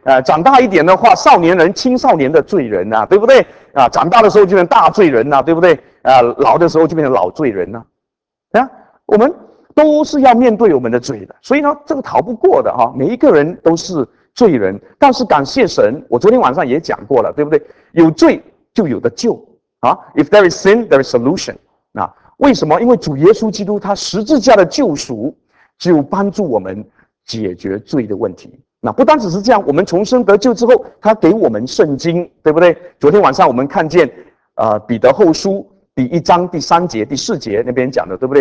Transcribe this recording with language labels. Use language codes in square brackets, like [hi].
[zh] 长大一点的话，少年人、青少年的罪人啊，对不对？长大的时候就变成大罪人啊，对不对？老的时候就变成老罪人啊。我们都是要面对我们的罪的，所以呢，这个逃不过的哈，每一个人都是罪人。但是感谢神，我昨天晚上也讲过了，对不对？有罪就有的救啊 ， [en] If there is sin, there is solution。 [zh] 啊，为什么？因为主耶稣基督他十字架的救赎，就帮助我们解决罪的问题。那不单只是这样，我们重生得救之后，他给我们圣经，对不对？昨天晚上我们看见，彼得后书第一章第三节、第四节那边讲的，对不对？